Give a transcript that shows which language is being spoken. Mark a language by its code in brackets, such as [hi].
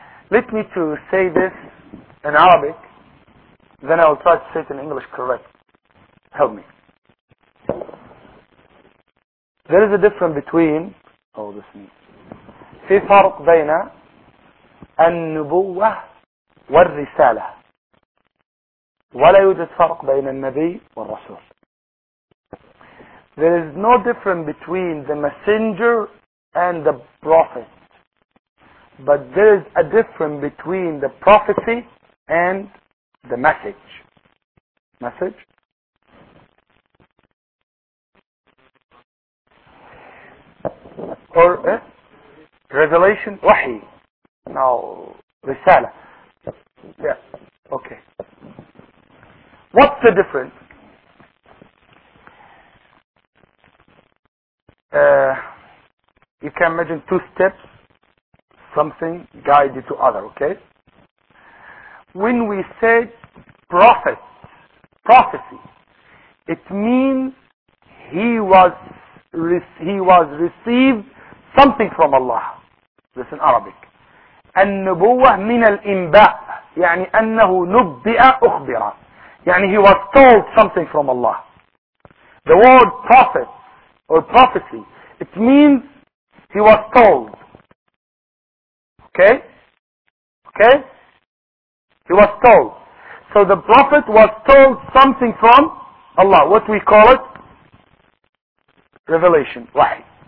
[en] Let me to say this in Arabic, then I will try to say it in English correct. Help me. There is a difference between... Oh, this means... [ar] في فرق بين النبوة والرسالة، ولا يوجد فرق بين النبي والرسول. [en] There is no difference between the messenger and the prophet. But there is a difference between the prophecy and the message. Message. Or revelation. Wahi. Now, Risala. Yeah. Okay. What's the difference? You can imagine two steps, something guided to other, okay? When we say prophet, prophecy, it means he was received something from Allah. This in Arabic. [ar] النبوه من الانباء يعني انه نبئ اخبر يعني [en] he was told something from Allah. The word prophet or prophecy, it means he was told. Okay? He was told. So the prophet was told something from Allah. What we call it? Revelation. Wahi.